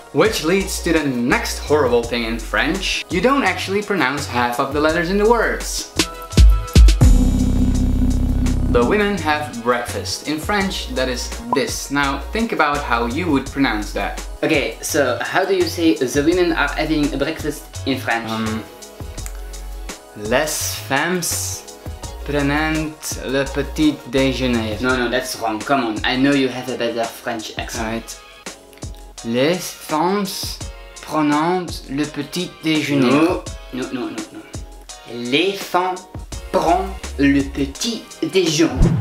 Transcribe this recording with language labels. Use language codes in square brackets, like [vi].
[en] Which leads to the next horrible thing in French. You don't actually pronounce half of the letters in the words. The women have breakfast. In French, that is this. Now, think about how you would pronounce that. Okay, so how do you say the women are having breakfast in French? [fr] Les femmes prennent le petit déjeuner. [en] No, no, that's wrong. Come on, I know you have a better French accent. Right. [fr] Les femmes prennent le petit déjeuner. [en] No, no, no, no, no. [fr] Les femmes prennent le petit déjeuner.